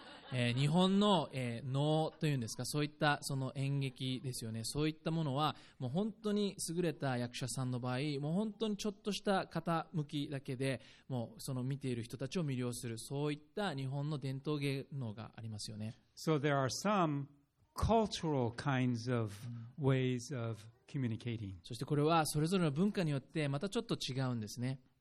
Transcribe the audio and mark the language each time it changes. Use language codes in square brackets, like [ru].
[ja] 日本の能というんですか、そういったその演劇ですよね。そういったものはもう本当に優れた役者さんの場合、もう本当にちょっとした傾きだけでもうその見ている人たちを魅了する、そういった日本の伝統芸能がありますよね。 [en] So there are some cultural kinds of ways of communicating. [ja] そしてこれはそれぞれの文化によってまたちょっと違うんですね。